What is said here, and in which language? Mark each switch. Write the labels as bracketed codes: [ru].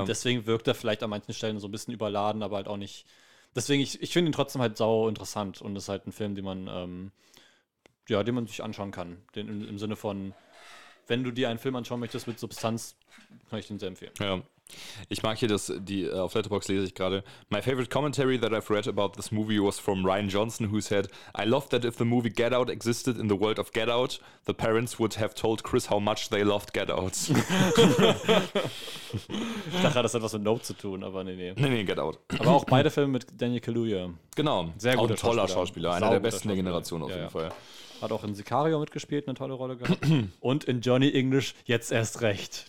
[de] Und deswegen wirkt er vielleicht an manchen Stellen so ein bisschen überladen, aber halt auch nicht. Deswegen, ich finde ihn trotzdem halt sau interessant und ist halt ein Film, den man sich anschauen kann. Im Sinne von, wenn du dir einen Film anschauen möchtest mit Substanz, kann ich den sehr empfehlen. Ja. Ich mag hier das, auf Letterboxd lese ich gerade. [en] My favorite commentary that I've read about this movie was from Ryan Johnson, who said, I love that if the movie Get Out existed in the world of Get Out, the parents would have told Chris how much they loved Get Out. [de] Ich dachte, das hat was mit Nope zu tun, aber nee. Nee, Get Out. Aber auch beide Filme mit Daniel Kaluuya. Genau. Sehr guter Schauspieler. Toller Schauspieler, einer der besten der Generation auf jeden Fall. Hat auch in Sicario mitgespielt, eine tolle Rolle gehabt. Und in Johnny English jetzt erst recht.